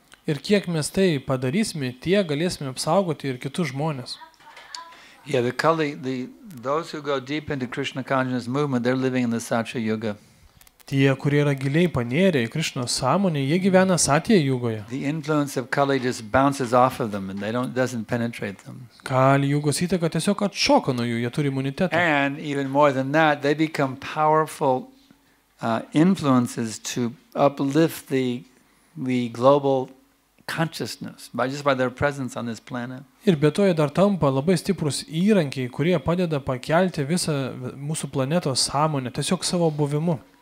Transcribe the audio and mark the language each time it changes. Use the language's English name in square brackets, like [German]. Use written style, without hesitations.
[Lithuanian] Ir kiek mes tai padarysime, tie galėsime apsaugoti ir kitus žmonės. [English] Yeah, those who go deep into Krishna consciousness movement, they're living in the Satya Yuga. [Lithuanian] Tie, kurie yra giliai panėrę į Krishna sąmonę, jie gyvena Satya Yugoje. [English] The influence of Kali just bounces off of them and doesn't penetrate them. [Lithuanian] Kali Yugos įtaka tiesiog atšoka nuo jų, jie turi imunitetą. [English] And even more than that, they become powerful influences to uplift the global consciousness by their presence on this planet. [Lithuanian] Ir be to jie dar tampa labai stiprus įrankiai, kurie padeda pakelti visą mūsų planetos sąmonę tiesiog savo buvimu.